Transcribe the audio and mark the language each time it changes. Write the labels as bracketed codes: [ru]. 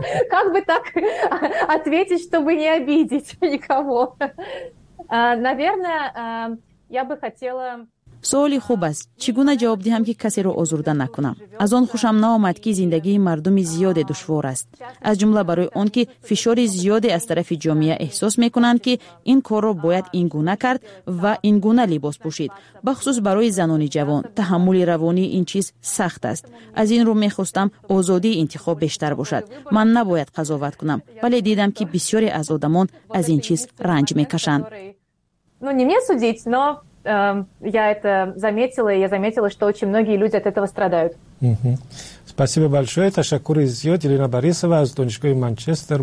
[ru] Как бы так ответить, чтобы не обидеть никого? Наверное, я бы хотела... [tg] Суоли хуб аст. Чи гуна ҷавоб диҳам, ки касеро озурда накунам? Аз он хушам наомад, ки зиндагии мардуми зиёде душвор аст. Аз ҷумла барои он, ки фишори зиёде аз тарафи ҷомеа эҳсос мекунанд, ки ин корро бояд ин гуна кард ва ин гуна либос пушид. Ба хусус барои занони ҷавон, таҳаммули равони ин чиз сахт аст. Аз ин рӯ мехостам озодии интихоб бештар бошад. Ман набояд қазоват кунам, вале дидам, ки бисёре аз одамон аз ин чиз ранҷ мекашанд. [ru] Ну, не мне судить, но я это заметила, и я заметила, что очень многие люди от этого страдают. Спасибо большое. [tg] Ташаккур [ru] изъёт Елена Борисова из Донецкой Манчестер.